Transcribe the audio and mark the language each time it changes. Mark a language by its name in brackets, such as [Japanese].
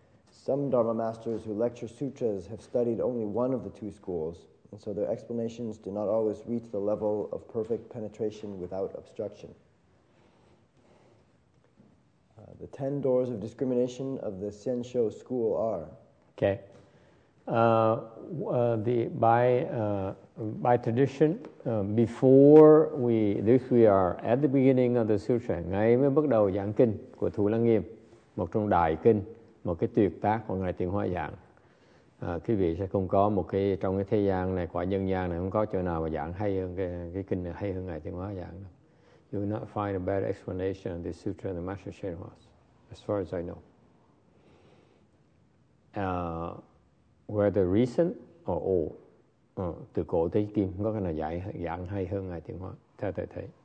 [English] Some Dharma masters who lecture sutras have studied only one of the two schools, and so their explanations do not always reach the level of perfect penetration without obstruction. The 10 doors of discrimination of the Xianshou school are... Okay. By tradition, we are at the beginning of the sutra, [Vietnamese] ngay mới bắt đầu giảng kinh của Thủ Lăng Nghiêm, một trong đại kinh, một cái tuyệt tác của Ngài Tiền Hóa Giảng. Quý vị sẽ không có một cái trong cái thế gian này, quả nhân gian này không có chỗ nào mà giảng hay hơn cái kinh này, hay hơn Ngài Tiền Hóa Giảng. [English] You will not find a better explanation of this sutra than Master Shen Hua's, as far as I know. Whether recent or old, [Vietnamese] từ cổ tới kim không có cái nào giảng hay hơn Ngài Tiền Hóa, theo tôi thấy.